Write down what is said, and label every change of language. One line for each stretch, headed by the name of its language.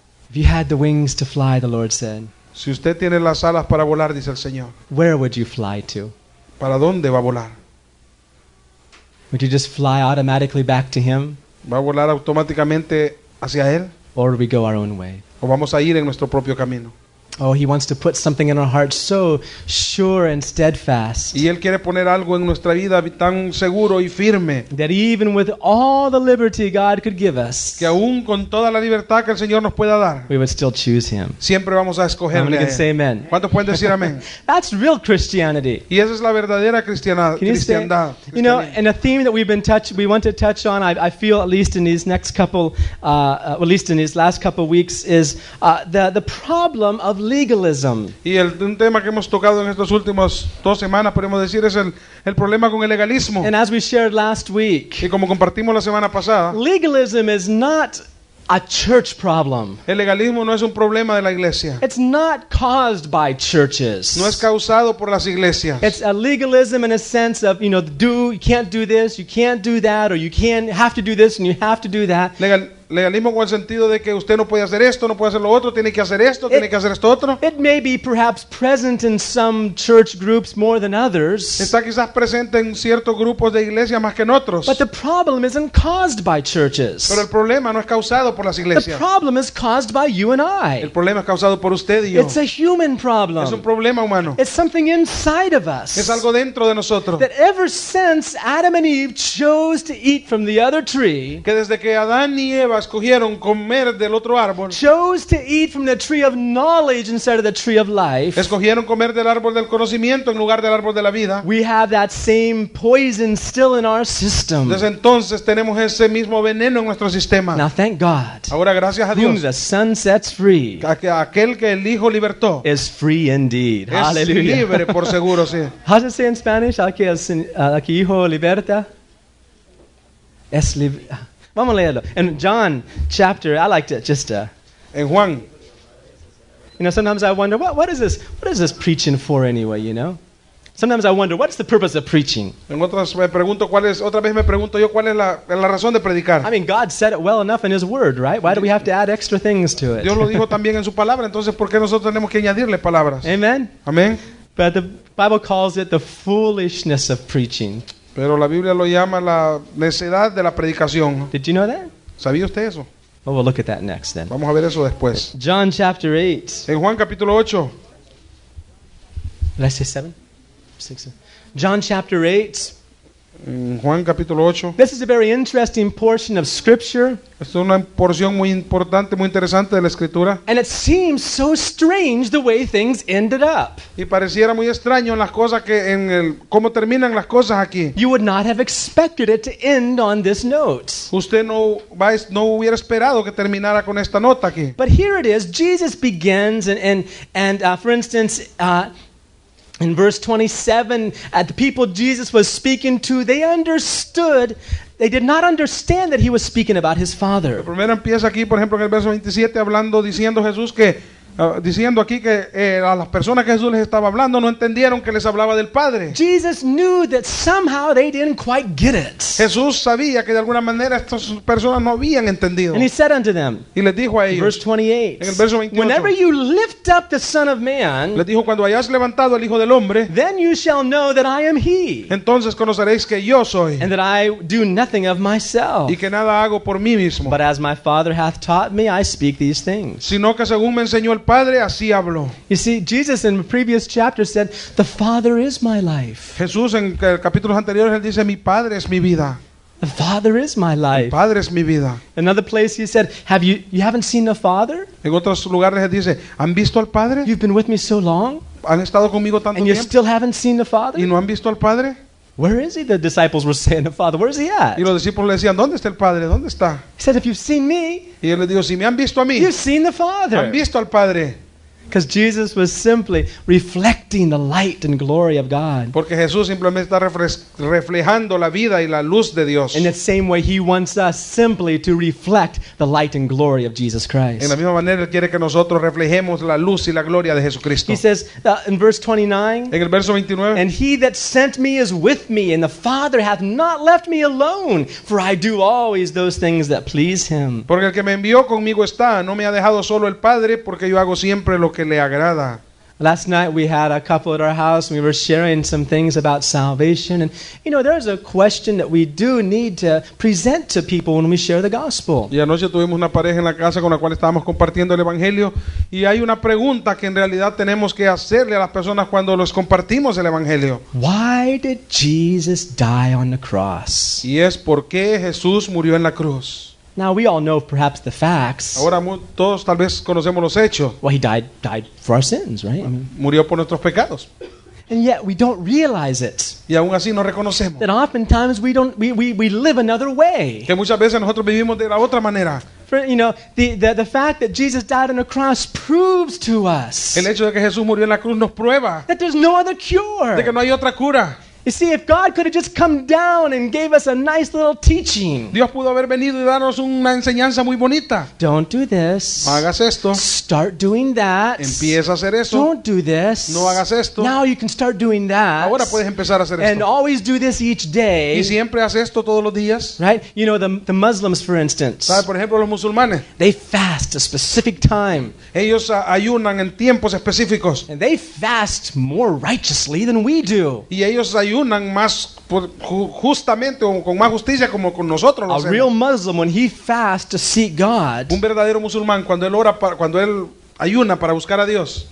English: If you had the wings to fly, the Lord said,
Spanish: si usted tiene las alas para volar, dice el Señor,
English: where would you fly to?
Spanish: ¿Para dónde va a volar?
English: Would you just fly automatically back to Him?
Spanish: ¿Va a volar automáticamente hacia Él?
English: Or we go our own way.
Spanish: O vamos a ir en nuestro propio camino.
English: Oh, He wants to put something in our hearts so sure and steadfast.
Spanish: Y Él quiere poner algo en nuestra vida tan seguro y firme.
English: That even with all the liberty God could give us,
Spanish: que aún con toda la libertad que el Señor nos pueda dar,
English: we would still choose Him.
Spanish: Siempre vamos a escogerle.
English: How many can say amen?
Spanish: ¿Cuántos pueden decir amén?
English: That's real Christianity.
Spanish: Y esa es la verdadera cristianidad.
English: Can you say, you know, and a theme that we want to touch on, I feel at least in these next couple, at least in these last couple weeks, is the problem of legalism.
Spanish: Y el un tema que hemos tocado en estos últimos dos semanas, podemos decir, es el problema con el legalismo.
English: And as we shared last week,
Spanish: y como compartimos la semana pasada,
English: legalism is not a church problem.
Spanish: El legalismo no es un problema de la iglesia.
English: It's not caused by churches.
Spanish: No es causado por las iglesias.
English: It's a legalism in a sense of, you know, do you can't do this, you can't do that, or you can't have to do this and you have to do that.
Spanish: Legalismo con el sentido de que usted no puede hacer esto, no puede hacer lo otro, tiene que hacer esto, tiene que hacer esto otro.
English: It may be perhaps present in some church groups more than others.
Spanish: Está quizás presente en ciertos grupos de iglesia más que en otros.
English: But the problem isn't caused by churches.
Spanish: Pero el problema no es causado por las iglesias.
English: The problem is caused by you and I.
Spanish: El problema es causado por usted y yo.
English: It's a human problem.
Spanish: Es un problema humano.
English: It's something inside of us.
Spanish: Es algo dentro de nosotros.
English: That ever since Adam and Eve chose to eat from the other tree,
Spanish: que desde que Adán y Eva escogieron comer del otro árbol,
English: chose to eat from the tree of knowledge instead of the tree of life,
Spanish: escogieron comer del árbol del conocimiento en lugar del árbol de la vida,
English: we have that same poison still in our system.
Spanish: Desde entonces tenemos ese mismo veneno en nuestro sistema.
English: Now thank God,
Spanish: ahora gracias a Dios,
English: whom the Son sets free,
Spanish: aquel que el Hijo libertó,
English: is free indeed.
Spanish: Es
English: Hallelujah.
Spanish: Libre por seguro, sí.
English: How does it say in Spanish?
Spanish: Aquel que Hijo liberta es libre. Vamos a leerlo.
English: In John chapter, I liked it, just
Spanish: en Juan.
English: You know, sometimes I wonder, what is this preaching for anyway, you know? Sometimes I wonder, what's the purpose of preaching?
Spanish: En otras me pregunto cuál es, otra vez me pregunto yo cuál es la razón de predicar.
English: I mean, God said it well enough in His word, right? Why do we have to add extra things to it?
Spanish: Dios lo dijo también en su palabra, entonces ¿por qué nosotros tenemos que añadirle palabras?
English: Amen.
Spanish: Amén.
English: But the Bible calls it the foolishness of preaching.
Spanish: Pero la Biblia lo llama la necedad de la predicación.
English: Did you know that?
Spanish: ¿Sabía usted eso?
English: Well, we'll look at that next then.
Spanish: Vamos a ver eso después.
English: John chapter 8.
Spanish: En Juan capítulo 8.
English: Did I say 7? 6. John chapter 8.
Spanish: Juan capítulo 8.
English: This is a very interesting portion of scripture.
Spanish: Es una porción muy importante, muy interesante de la escritura.
English: And it seems so strange the way things ended up.
Spanish: Y pareciera muy extraño las cosas que en el cómo terminan las cosas aquí.
English: You would not have expected it to end on this note.
Spanish: Usted no hubiera esperado que terminara con esta nota aquí.
English: But here it is. Jesus begins and for instance, in verse 27, at the people Jesus was speaking to, they understood. They did not understand that he was speaking about his father.
Spanish: El primero empieza aquí, por ejemplo, en el verso 27, hablando, diciendo Jesús que, diciendo aquí que a las personas que Jesús les estaba hablando no entendieron que les hablaba del Padre.
English: Jesus knew that somehow they didn't quite get it.
Spanish: Jesús sabía que de alguna manera estas personas no habían entendido.
English: And he said unto them,
Spanish: y les dijo a ellos,
English: verse 28,
Spanish: en el verso 28,
English: whenever you lift up the Son of Man,
Spanish: les dijo, cuando hayas levantado al Hijo del Hombre,
English: then you shall know that I am He.
Spanish: Entonces conoceréis que yo soy.
English: And that I do nothing of myself.
Spanish: Y que nada hago por mí mismo.
English: But as my Father hath taught me, I speak these things.
Spanish: Sino que según me enseñó el Padre, así habló.
English: You see, Jesus in the previous chapter said, "The Father is my life."
Spanish: Jesús en el capítulo anterior él dice, "Mi Padre es mi vida."
English: The Father is my life.
Spanish: El Padre es mi vida.
English: Another place he said, "You haven't seen the Father?"
Spanish: En otros lugares él dice, "¿Han visto al Padre?"
English: You've been with me so long.
Spanish: Han estado conmigo tanto
English: and you
Spanish: tiempo.
English: You still haven't seen the Father?
Spanish: ¿Y no han visto al Padre?
English: Where is he? The disciples were saying, "The Father, where is he at?"
Spanish: Y los discípulos le decían, "¿Dónde está el Padre? ¿Dónde está?"
English: He said, "If you've seen me."
Spanish: Y él le dijo, "Si me han visto a mí."
English: You've seen the Father.
Spanish: Han visto al Padre.
English: Because Jesus was simply reflecting the light and glory of God.
Spanish: Porque Jesús simplemente está reflejando la vida y la luz de Dios.
English: In the same way, he wants us simply to reflect the light and glory of Jesus Christ.
Spanish: En la misma manera, él quiere que nosotros reflejemos la luz y la gloria de Jesucristo.
English: He says in verse 29.
Spanish: En el verso 29.
English: And he that sent me is with me, and the Father hath not left me alone, for I do always those things that please him.
Spanish: Porque el que me envió conmigo está, no me ha dejado solo el Padre, porque yo hago siempre lo que le agrada.
English: Last night we had a couple at our house and we were sharing some things about salvation, and you know, there's a question that we do need to present to people when we share the gospel.
Spanish: Y anoche tuvimos una pareja en la casa con la cual estábamos compartiendo el evangelio, y hay una pregunta que en realidad tenemos que hacerle a las personas cuando los compartimos el evangelio.
English: Why did Jesus die on the cross?
Spanish: Y es por qué Jesús murió en la cruz.
English: Now we all know perhaps the facts.
Spanish: Ahora todos tal vez conocemos los hechos.
English: Well, he died for our sins, right?
Spanish: Murió por nuestros pecados.
English: And yet we don't realize it.
Spanish: Y aún así no reconocemos.
English: That oftentimes we live another way.
Spanish: Que muchas veces nosotros vivimos de la otra manera.
English: You know, the fact that Jesus died on the cross proves to us.
Spanish: El hecho de que Jesús murió en la cruz nos prueba.
English: That there's no other cure.
Spanish: De que no hay otra cura.
English: You see, if God could have just come down and gave us a nice little teaching.
Spanish: Dios pudo haber venido y darnos una enseñanza muy bonita.
English: Don't do this.
Spanish: No hagas esto.
English: Start doing that.
Spanish: Empieza a hacer eso.
English: Don't do this.
Spanish: No hagas esto.
English: Now you can start doing that.
Spanish: Ahora puedes empezar a hacer
English: and
Spanish: esto.
English: And always do this each day.
Spanish: Y siempre haz esto todos los días.
English: Right? You know, the Muslims, for instance.
Spanish: ¿Sabe, por ejemplo, los musulmanes?
English: They fast a specific time.
Spanish: Ellos ayunan en tiempos específicos.
English: And they fast more righteously than we do.
Spanish: Y ellos ayunan más justamente o con más justicia como con nosotros.
English: A real Muslim, when he fasts to seek God,
Spanish: un verdadero musulmán cuando él ora, cuando él ayuna para buscar a Dios,